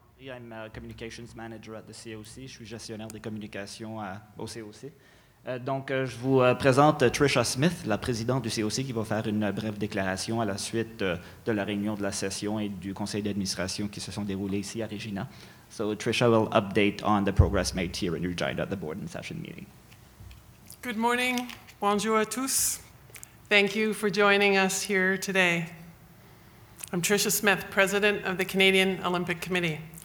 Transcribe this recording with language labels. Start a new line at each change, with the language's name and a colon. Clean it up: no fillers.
English: I'm a communications manager at the COC.
French: Je suis gestionnaire des communications au COC. Je vous présente Trisha Smith, la présidente du COC, qui va faire une brève déclaration à la suite de la réunion de la session et du conseil d'administration qui se sont déroulées ici à Regina.
English: So Trisha will update on the progress made here in Regina at the board and session meeting. Good morning.
French: Bonjour à tous.
English: Thank you for joining us here today. I'm Trisha Smith, president of the Canadian Olympic Committee.